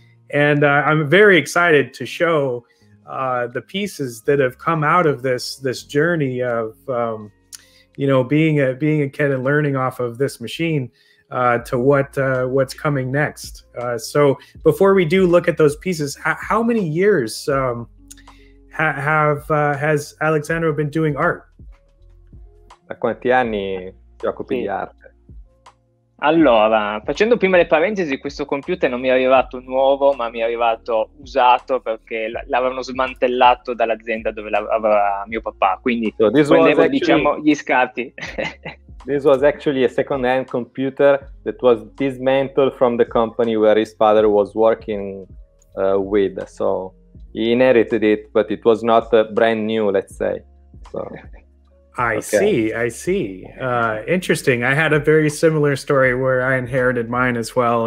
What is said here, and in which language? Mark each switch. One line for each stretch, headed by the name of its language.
English: And I'm very excited to show the pieces that have come out of this journey of being a kid and learning off of this machine to what's coming next. So before we do look at those pieces, how many years has Alessandro been doing art?
Italian: Da quanti anni ti occupi di arte? Allora, facendo prima le parentesi, questo computer non mi è arrivato nuovo, ma mi è arrivato usato perché l'avevano smantellato dall'azienda dove l'aveva mio papà, quindi prendevo, diciamo, gli scarti.
English: This was actually a second-hand computer that was dismantled from the company where his father was working with. So he inherited it, but it was not brand new, let's say. So, I see. Interesting. I had a very similar story where I inherited mine as well.